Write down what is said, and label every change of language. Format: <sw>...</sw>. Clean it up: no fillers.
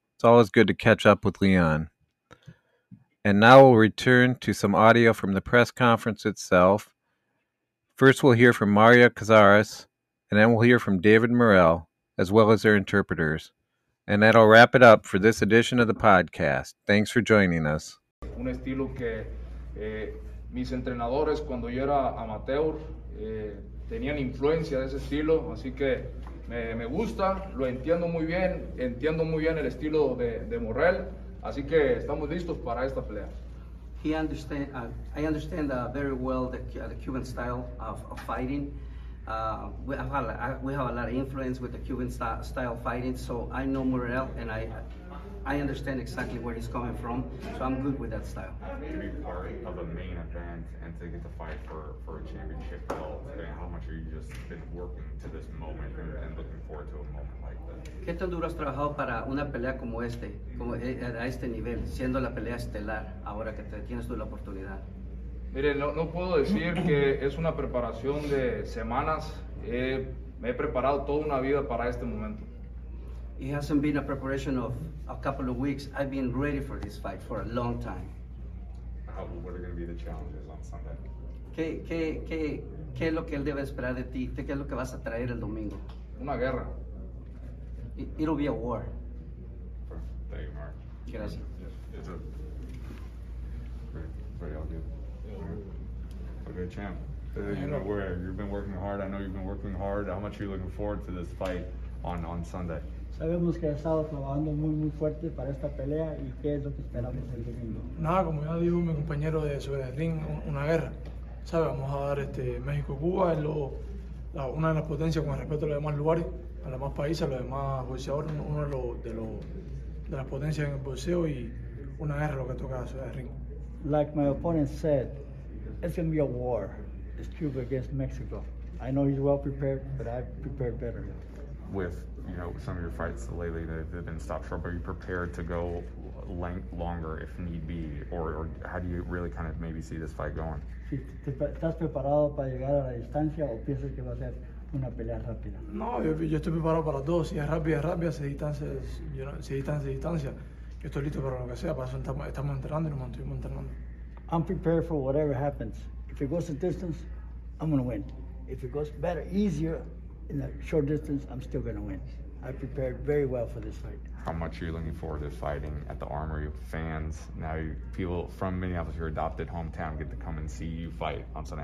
<en>It's always good to catch up with Leon. And now we'll return to some audio from the press conference itself. First, we'll hear from Mario Cazares, and then we'll hear from David Morrell, as well as their interpreters. And that'll wrap it up for this edition of the podcast. Thanks for joining us.</en> <es>un estilo que mis entrenadores cuando yo era amateur tenían influencia de ese estilo, así que me gusta, lo entiendo muy bien el estilo de Morrell, así que estamos listos para esta pelea.</es> <en>He understand. I understand very well the Cuban style of fighting. We have a lot of influence with the Cuban style fighting. So I know Morrell, and I understand exactly where he's coming from. So I'm good with that style. To be part of a main event and to get to fight for a championship belt, and how much are you just been working to this moment and looking forward to a moment like this?</en> <es>¿Qué tan duro has trabajado para una pelea como este, como a este nivel, siendo la pelea estelar ahora que tienes tú la oportunidad? Mire, no puedo decir que es una preparación de semanas. Me he preparado toda una vida para este momento.</es> <en>It hasn't been a preparation of a couple of weeks. I've been ready for this fight for a long time. What are going to be the challenges on Sunday?</en> <es>¿Qué es lo que él debe esperar de ti? ¿Qué es lo que vas a traer el domingo? Una guerra.</es> <en>It'll be a war. Thank you, Mark.</en> <es>Gracias.</es> <en>It's a pretty all good. Okay, champ. You know where you've been working hard. I know you've been working hard. How much are you looking forward to this fight on Sunday?</en> <es>Sabemos que has estado trabajando muy muy fuerte para esta pelea y qué es lo que esperamos el domingo. Nada, como ya dijo mi compañero de sobre el ring, una guerra. Sabes, vamos a dar México Cuba es una de las potencias con respecto a los demás lugares, a los demás países, a los demás boxeadores, uno de las potencias en el boxeo y una guerra lo que toca sobre el ring.</es> <en>Like my opponent said, it's going to be a war. It's Cuba against Mexico. I know he's well prepared, but I've prepared better. With some of your fights lately, they've been stopped short. Are you prepared to go longer if need be, or how do you really kind of maybe see this fight going?</en> <es>Si estás preparado para llegar a la distancia o piensas que va a ser una pelea rápida? No, yo estoy preparado para todo. Si es rápida, si distancia. Estoy listo para lo que sea, para eso estamos entrenando y nos mantuvimos entrenando.</es> <en>I'm prepared for whatever happens. If it goes the distance, I'm going to win. If it goes better, easier, in the short distance, I'm still going to win. I prepared very well for this fight. How much are you looking forward to fighting at the Armory? Fans, now people from Minneapolis, your adopted hometown, get to come and see you fight on Sunday.</en>